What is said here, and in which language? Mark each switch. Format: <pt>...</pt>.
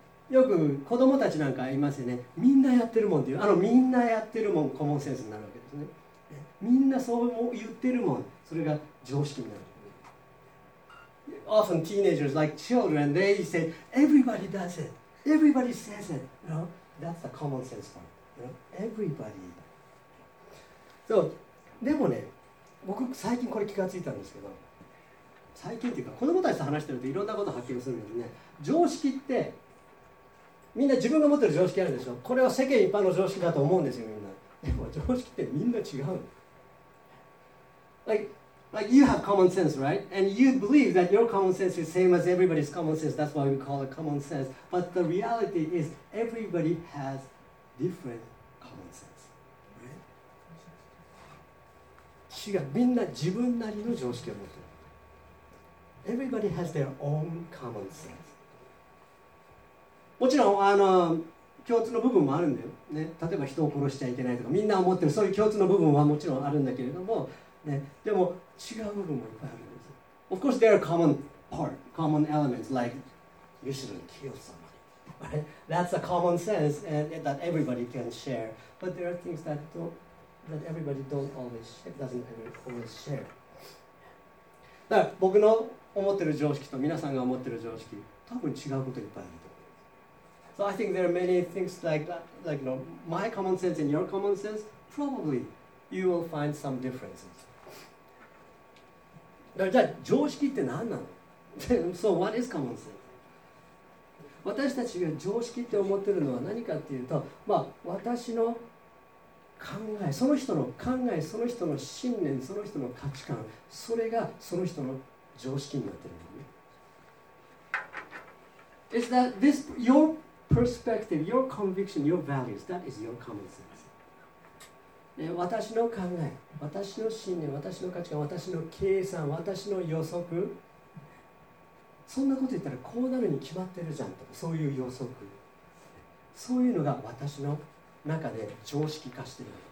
<ja>よく子供たちなんか言いますよね。みんなやってるもんっていう、みんなやってるもん、コモンセンスになるわけですね。みんなそう言ってるもん、それが常識になる。</ja> <en>Often teenagers, like children, they say, everybody does it, everybody says it, you know? That's a common sense part, you know? Everybody.</en> <ja>So, でもね、僕最近これ気がついたんですけど、最近っていうか、子供たちと話してるといろんなことを発見するんですね。常識って、みんな自分が持ってる常識あるでしょ。これは世間一般の常識だと思うんですよ、みんな。でも常識ってみんな違う。</ja> <en>Like you have common sense, right? And you believe that your common sense is same as everybody's common sense. That's why we call it common sense. But the reality is everybody has different common sense.</en> <ja>Right? 違う。みんな自分なりの常識を持ってる。</ja> <en>Everybody has their own common sense.</en> <ja>もちろん、共通の部分もあるんだよ、ね。例えば人を殺しちゃいけないとか、みんな思ってる。そういう共通の部分はもちろんあるんだけれども、ね、でも違う部分もいっぱいあるんです。</ja> <en>Of course, there are common part, common elements like you shouldn't kill somebody. Right? That's a common sense and that everybody can share. But there are things that everybody doesn't always share.</en> <ja>だから僕の思ってる常識と皆さんが思ってる常識、多分違うこといっぱいあると思います。</ja> <en>So I think there are many things like you know, my common sense and your common sense, probably you will find some differences.</en> <ja>じゃあ常識って何なの</ja> <en>So what is common sense?</en> <ja>私たちが常識って思ってるのは何かっていうと、まあ私の考え、その人の考え、その人の信念、その人の価値観、それがその人の常識になってるんだよね。</ja> <en>Is that this, your perspective, your conviction, your values, that is your common sense.</en> <ja>私の考え、私の信念、私の価値観、私の計算、私の予測、そんなこと言ったらこうなるに決まってるじゃんとか、そういう予測、そういうのが私の中で常識化してる。</ja>